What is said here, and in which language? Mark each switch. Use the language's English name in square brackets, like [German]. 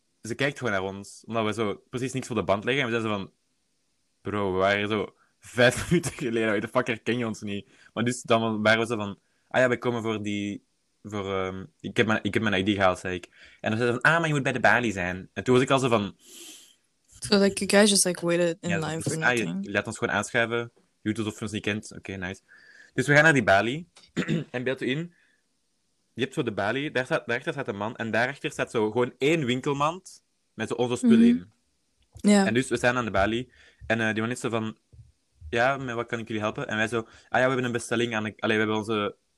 [Dutch] Ze kijkt gewoon naar ons. Omdat we zo precies niks voor de band leggen. En we zijn zo van... Bro, we waren zo 5 minuten geleden. De fucker, ken je ons niet? Maar dus, dan waren we zo van... Ah ja, we komen voor die... Ik heb mijn ID gehaald, zei ik. En dan zei ze van, ah, maar je moet bij de balie zijn. En toen was ik al zo van... [English] So, like, you guys just, like, waited in line for nothing. [Dutch] Ja, je laat ons gewoon aanschuiven. Je doet alsof je ons niet kent. Oké, nice. Dus we gaan naar die balie. En beeld u in. Je hebt zo de balie. Daarachter staat een man. En daarachter staat zo gewoon één winkelmand met zo onze spullen in. Ja. [English] Yeah. [Dutch] En dus we staan aan de balie. En die man is zo van, ja, met wat kan ik jullie helpen? En wij zo, ah ja, we hebben een bestelling aan de... Allee, we hebben onze...